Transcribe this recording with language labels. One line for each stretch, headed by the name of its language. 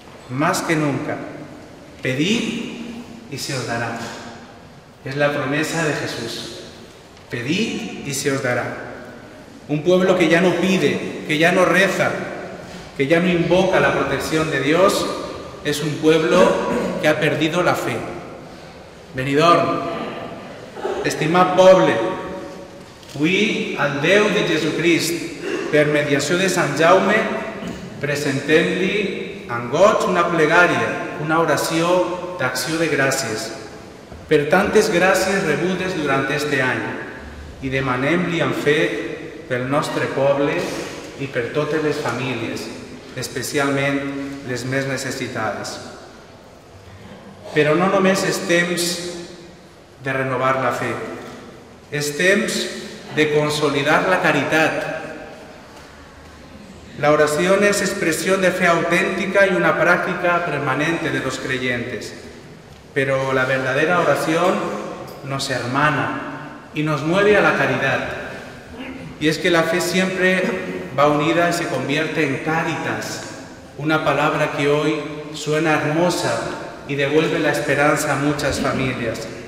Spanish: Más que nunca. Pedid y se os dará. Es la promesa de Jesús. Pedid y se os dará. Un pueblo que ya no pide, que ya no reza, que ya no invoca la protección de Dios, es un pueblo que ha perdido la fe.
Catalan: Benidorm, estimat poble, qui al Déu de Jesucrist, per mediació de Sant Jaume, presentem-li en goig una plegària, una oració d'acció de gràcies, per tantes gràcies rebudes durant aquest any, i demanem-li en fe pel nostre poble i per totes les famílies, especialment les més necessitades. Però no només és temps de renovar la fe, és temps de consolidar la caritat.
Spanish: La oración es expresión de fe auténtica y una práctica permanente de los creyentes. Pero la verdadera oración nos hermana y nos mueve a la caridad. Y es que la fe siempre va unida y se convierte en caritas, una palabra que hoy suena hermosa y devuelve la esperanza a muchas familias.